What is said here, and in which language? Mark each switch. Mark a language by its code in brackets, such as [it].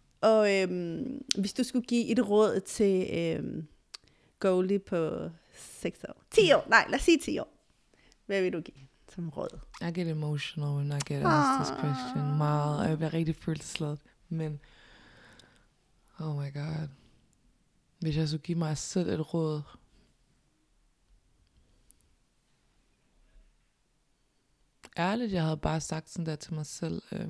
[da] Og hvis du skulle give et råd til Goalie på 6 år. 10 år, nej, lad os sige 10 år. Hvad vil du give som råd? [en] I get emotional when I get asked this question. [da] Meget, jeg bliver rigtig følelsesladet. Men, [en] oh my god. [da] Hvis jeg skulle give mig selv et råd. Ærligt, jeg havde bare sagt sådan der til mig selv.